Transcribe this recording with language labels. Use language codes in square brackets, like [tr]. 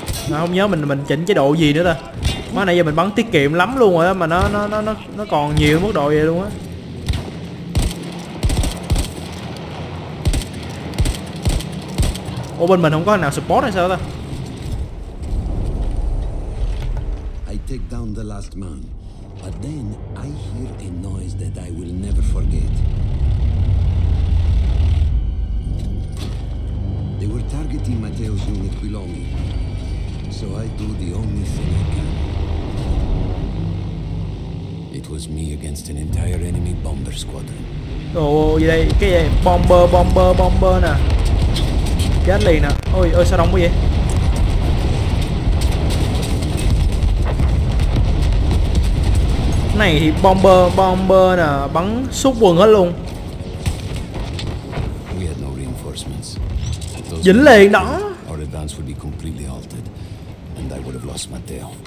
[vi] Nó không nhớ mình chỉnh chế độ gì nữa ta. Má nãy giờ mình bắn tiết kiệm lắm luôn rồi á mà nó còn nhiều mức độ vậy luôn á. Ủa bên mình không có nào support hay sao ta? [en] I take down the last man, but then I hear a noise that I will never forget. They were targeting Mateo's unit below me. So I do the only thing I can. It was me against an entire enemy bomber squadron. [vi] Oh, gì đây? Cái gì? Bomber nè. Chết liền nè. Ôi, ơi sao đông quá vậy? Này thì bomber nè, bắn súc quần hết luôn. [en] We had no reinforcements. [vi] Dính liền đó. [en] Our advance would be completely halted. And I would have lost my tail.